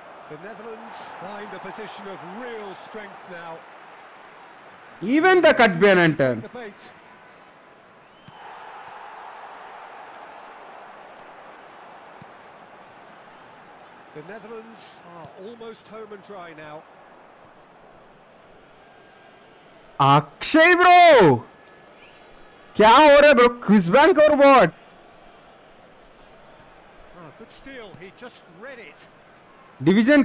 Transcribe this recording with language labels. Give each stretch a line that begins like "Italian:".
English: The Netherlands find a position of real strength now. Even the cut behind turn. The Netherlands are almost home and dry now.
Hindi: Akshay bro, क्या हो रहा bro?
English: Quiz bank or what? Oh, good steal. He just read it. Division?